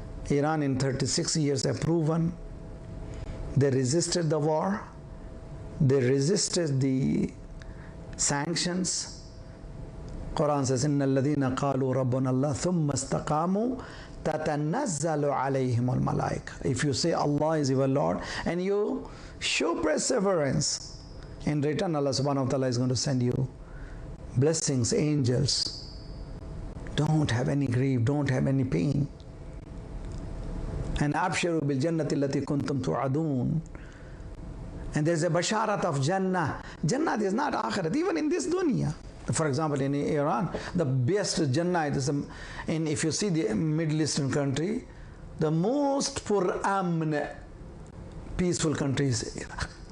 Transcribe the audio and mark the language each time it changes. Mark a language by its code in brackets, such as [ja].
[en] Iran in 36 years have proven they resisted the war, they resisted the sanctions. Quran says, [ar] إِنَّ الَّذِينَ قَالُوا رَبُّنَ اللَّهِ ثُمَّ اسْتَقَامُوا تَتَنَزَّلُ عَلَيْهِمُ الْمَلَائِكَةُ. [en] If you say Allah is your Lord and you show perseverance, in return Allah subhanahu wa ta'ala is going to send you blessings, angels. Don't have any grief, don't have any pain. [ar] And أَبْشِرُوا بِالْجَنَّةِ الَّتِي كُنْتُمْ تُعَدُونَ. [en] And there's a basharat of Jannah. Jannah is not akhirat, even in this dunya. For example, in Iran, the best Jannah is, in, if you see the Middle Eastern country, the most poor amn, peaceful country is Iraq.